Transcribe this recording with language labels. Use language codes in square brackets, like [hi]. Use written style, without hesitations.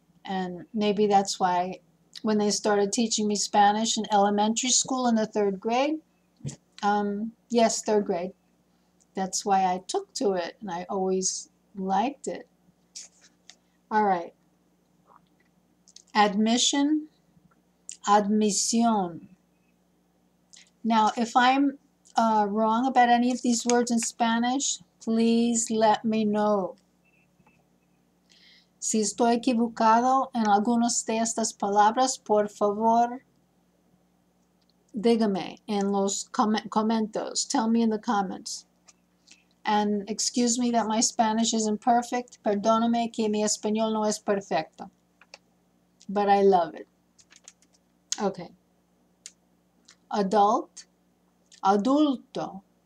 [en] And maybe that's why when they started teaching me Spanish in elementary school in the third grade, that's why I took to it, and I always liked it. All right. Admission, admisión. Now, if I'm wrong about any of these words in Spanish, please let me know. [es] Si estoy equivocado en algunas de estas palabras, por favor, dígame en los comentarios. [en] Tell me in the comments. And excuse me that my Spanish isn't perfect. [es] Perdóname que mi español no es perfecto. [en] But I love it. Okay. Adult. [es] Adulto.